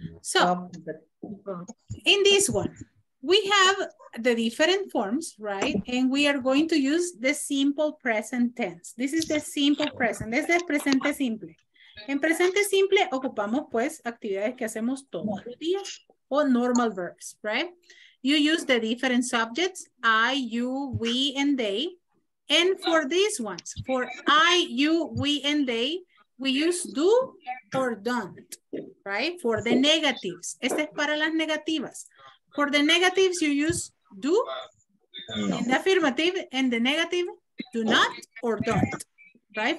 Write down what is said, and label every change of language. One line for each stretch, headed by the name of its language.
English: So, in this one, we have the different forms, right? And we are going to use the simple present tense. This is the simple present.
Spanish: Es el presente simple. En presente simple ocupamos pues actividades que hacemos todos los días o
English: normal verbs, right? You use the different subjects, I, you, we, and they. And for these ones, for I, you, we, and they, we use do or don't, right? For the negatives.
Spanish: Este es para las negativas.
English: For the negatives, you use do, in the affirmative, and the negative, do not or don't, right?